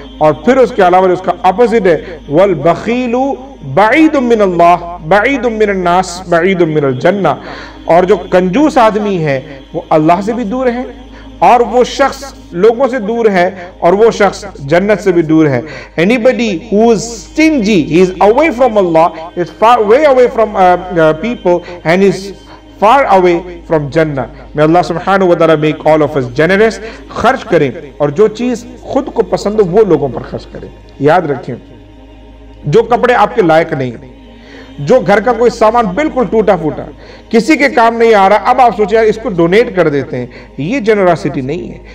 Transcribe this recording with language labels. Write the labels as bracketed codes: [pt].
[ur] اور پھر اس کے علاوہ اس کا اپوزٹ ہے, [ar] والبخیل بعید من اللہ, بعید من الناس, بعید من الجنہ. [ur] اور جو کنجوس آدمی ہے وہ اللہ سے بھی دور ہے, اور وہ شخص لوگوں سے دور ہے, اور وہ شخص جنت سے بھی دور ہے. [en] Anybody who is stingy, he is away from Allah, is far way away from people, and is far away from Jannah. May Allah subhanahu wa ta'ala make all of us generous. [ur] خرچ کریں, اور جو چیز خود کو پسند ہو وہ لوگوں پر خرچ کریں. یاد رکھیں, جو کپڑے آپ کے لائق نہیں, جو گھر کا کوئی سامان بالکل ٹوٹا پھوٹا, کسی کے کام نہیں آ رہا, اب آپ سوچیں یار اس کو ڈونیٹ کر دیتے ہیں, یہ جنراسٹی نہیں ہے.